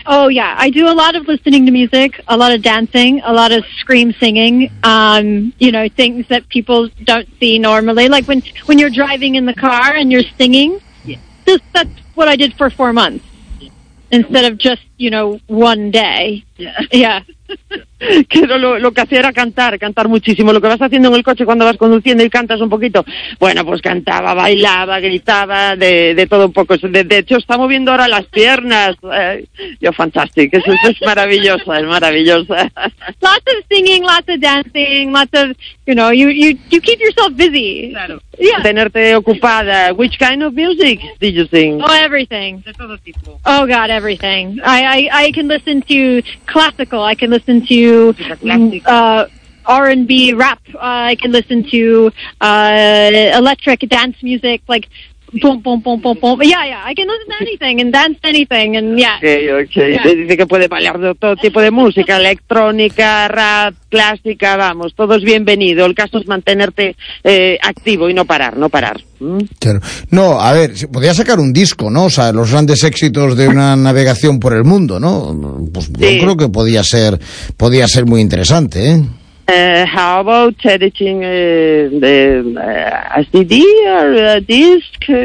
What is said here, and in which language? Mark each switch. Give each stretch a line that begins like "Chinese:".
English: Oh, yeah, I do a lot of listening to music, a lot of dancing, a lot of scream singing, you know, things that people don't see normally. Like when you're driving in the car and you're singing, that's what I did for 4 months. Instead of just, you know, one day. Yeah.
Spanish: Que lo que hacía era cantar muchísimo. Lo que vas haciendo en el coche cuando vas conduciendo y cantas un poquito. Bueno, pues cantaba, bailaba, gritaba, de todo un poco. De hecho, está moviendo ahora las piernas. Yo, fantastic. Eso es maravillosa, es maravillosa.
English: Lots of singing, lots of dancing, lots of, you know, you keep yourself busy. Claro. Yeah.
Spanish: Tenerte ocupada.
English: Which kind of music did you sing? Oh, everything.
Spanish: De todo tipo.
English: Oh, God, everything. I can listen to classical. I can listen to R&B rap. I can listen to electric dance music, like boom, boom, boom, boom, boom. Yeah, yeah. I can listen to anything and dance anything. And yeah. Okay. Yeah.
Spanish: Dice que puede bailar de todo tipo de música, electrónica, rap, clásica. Vamos, todo es bienvenido. El caso es mantenerte activo y no parar. Claro. No, a ver, podría sacar un disco, ¿no? O sea, los grandes éxitos de una navegación por el mundo, ¿no? Pues sí. Yo creo que podía ser muy interesante, ¿eh?
English: How about editing a CD or a disc?